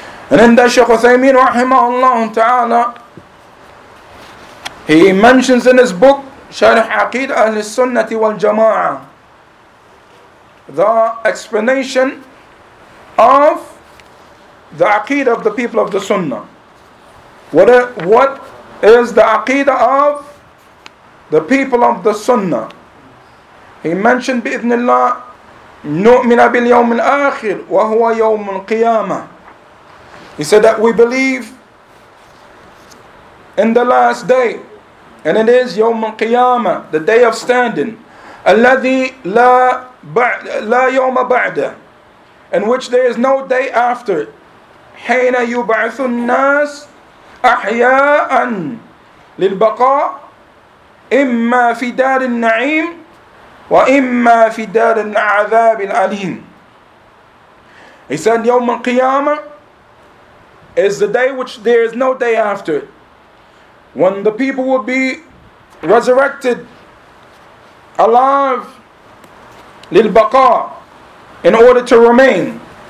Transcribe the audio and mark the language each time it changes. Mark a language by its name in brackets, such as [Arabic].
[English] And in that, Shaykh Uthaymeen rahimahullah ta'ala, he mentions in his book Sharh Aqid Ahl Sunnah wal Jama'ah, the explanation of the Aqid of the people of the Sunnah. What is the Aqid of the people of the Sunnah? He mentioned [Arabic] بإذن الله نؤمن باليوم الآخر وهو يوم القيامة. [English] He said that we believe in the last day, and it is [Arabic] يوم القيامة, [English] the day of standing, [Arabic] الذي لا يوم بعده, [English] in which there is no day after it. [Arabic] حين يبعث الناس أحياء للبقاء إما في دار النعيم وإما في دار العذاب الأليم. [English] He said [Arabic] يوم القيامة [English] is the day which there is no day after it, when the people will be resurrected alive للبقاء, in order to remain.